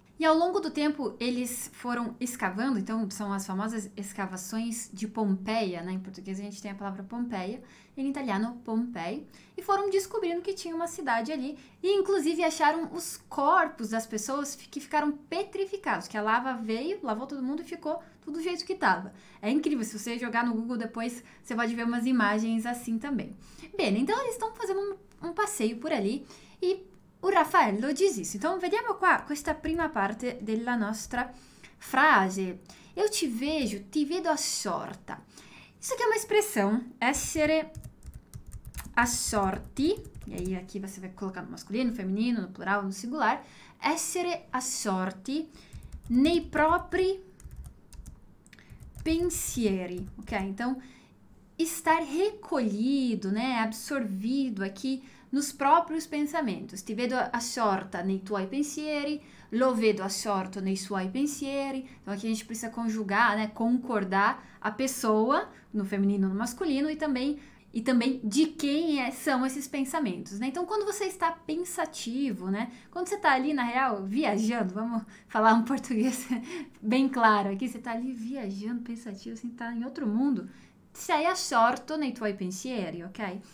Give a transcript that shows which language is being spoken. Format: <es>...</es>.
<pt>E ao longo do tempo eles foram escavando, então são as famosas escavações de Pompeia, né? Em português a gente tem a palavra Pompeia, em italiano Pompei, e foram descobrindo que tinha uma cidade ali, e inclusive acharam os corpos das pessoas que ficaram petrificados, que a lava veio, lavou todo mundo e ficou tudo do jeito que estava. É incrível, se você jogar no Google depois, você pode ver umas imagens assim também. Bem, então eles estão fazendo um passeio por ali e o Raffaello diz isso.</pt> <it>Então, vediamo qua questa prima parte della nostra frase.</it> <pt>Eu te vejo,</pt> <it>ti vedo assorta.</it> <pt>Isso aqui é uma expressão, essere assorti, e aí aqui você vai colocar no masculino, no feminino, no plural, no singular,</pt> <it>essere assorti nei propri pensieri,</it> <pt>ok? Então, estar recolhido, né, absorvido aqui nos próprios pensamentos.</pt> <it>Ti vedo assorta nei tuoi pensieri, lo vedo assorto nei suoi pensieri.</it> <pt>Então aqui a gente precisa conjugar, né, concordar a pessoa no feminino, no masculino e também de quem são esses pensamentos, né? Então quando você está pensativo, né, quando você está ali na real viajando, vamos falar um português bem claro aqui, você está ali viajando, pensativo, assim, está em outro mundo.</pt> <it>Sei assorto nei tuoi pensieri, ok?</it>